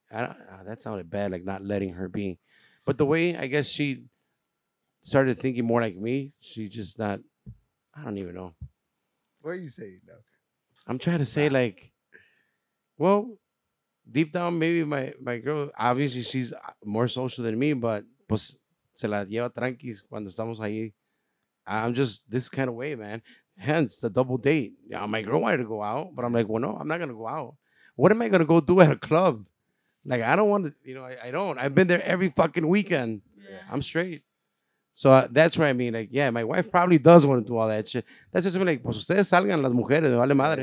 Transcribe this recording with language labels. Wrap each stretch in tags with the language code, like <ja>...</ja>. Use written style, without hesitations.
<en>That sounded bad, like not letting her be. But the way I guess she started thinking more like me, she just not, I don't even know. What are you saying, though? I'm trying to say, like, well, deep down, maybe my girl, obviously she's more social than me, but.</en> <es>Pues se la lleva tranquis cuando estamos ahí.</es> <en>I'm just this kind of way, man. Hence the double date. Yeah, my girl wanted to go out, but I'm like, well, no, I'm not gonna go out. What am I gonna go do at a club? Like, I don't want to, you know, I don't. I've been there every fucking weekend. Yeah. I'm straight. So that's what I mean. Like, yeah, my wife probably does want to do all that shit. That's just me, like,</en> <es>pues ustedes salgan las mujeres, me vale madre.</es>